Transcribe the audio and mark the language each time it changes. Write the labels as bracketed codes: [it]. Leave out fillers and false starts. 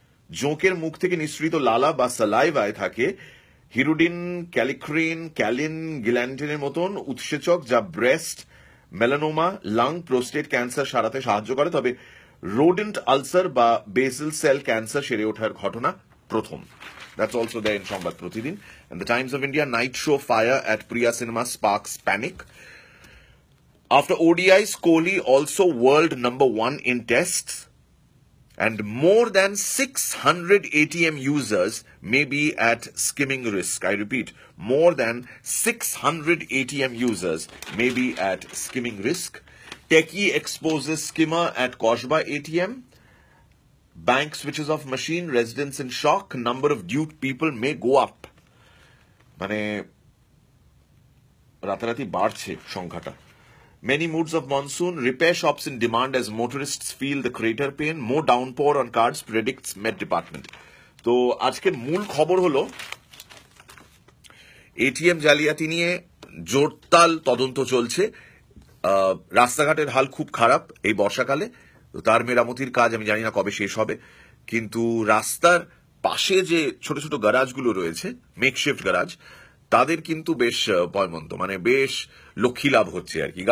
[bn] জোঁকের মুখ থেকে নিঃসৃত লালা বা সালাইভায় থাকে হিরুডিন, ক্যালিক্রিন, ক্যালিন, গিল্যান্টিনের মতন উৎসেচক, যা breast, melanoma, lung, prostate cancer সারাতে সাহায্য করে। তবে রোডেন্ট আলসার বা বেসিল সেল ক্যান্সার সেরে ওঠার ঘটনা প্রথম। [en] That's also there in Shambhat Pratidin. And the Times of India, night show fire at Priya Cinema sparks panic. After ODIs, Kohli also world number one in tests. And more than 600 ATM users may be at skimming risk. I repeat, more than 600 ATM users may be at skimming risk. Techie exposes skimmer at Koshba ATM. Bank switches off machine, residents in shock, number of duped people may go up. [bn] মানে রাতারাতি বাড়ছে সংখ্যাটা। [en] Many moods of monsoon, repair shops in demand as motorists feel the crater pain, more downpour on cards, predicts Met Department. [bn] তো আজকের মূল খবর হলো ATM জালিয়াতি নিয়ে জোরতাল তদন্ত চলছে, রাস্তাঘাটের হাল খুব খারাপ এই বর্ষাকালে, তার মেরামতির কাজ আমি জানি না কবে শেষ হবে, কিন্তু রাস্তার পাশে যে ছোট ছোট গ্যারাজগুলো রয়েছে, মেকশিফট গ্যারাজ, তাদের কিন্তু বেশ পয়মন্ত, মানে বেশ লক্ষ্মীলাভ হচ্ছে আর কি।